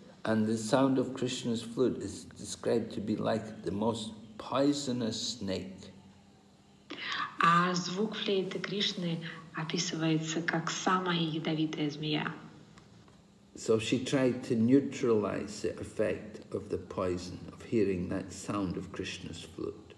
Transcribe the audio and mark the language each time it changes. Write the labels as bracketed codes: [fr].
[en] And the sound of Krishna's flute is described to be like the most poisonous snake. [ru] А звук флейты Кришны описывается как самая ядовитая змея. [en] So she tried to neutralize the effect of the poison of hearing that sound of Krishna's flute.